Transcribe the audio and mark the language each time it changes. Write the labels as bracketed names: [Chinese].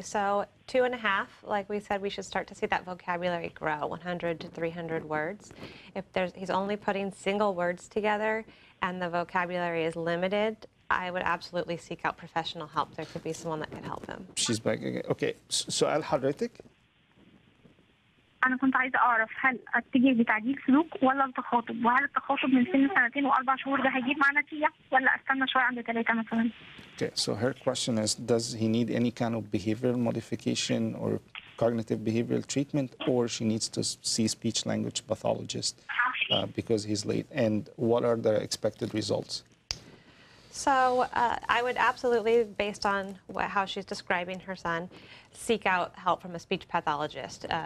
[English] So 2.5, like we said, we should start to see that vocabulary grow, 100 to 300 words. If there's, he's only putting single words together and the vocabulary is limited, I would absolutely seek out professional help. There could be someone that could help him. She's back again. Okay. So [Arabic] al hadratik? أنا كنت عايزة أعرف هل أتجه لتعديل سلوك ولا التخاطب، وهل التخاطب من سن 2 و4 شهور ده هيجيب معنا نتيجة ولا أستنى شوية عند 3 مثلاً؟ [English] Okay, so her question is, does he need any kind of behavioral modification or cognitive behavioral treatment, or she needs to see speech language pathologist because he's late? And what are the expected results? So I would absolutely, based on how she's describing her son, seek out help from a speech pathologist.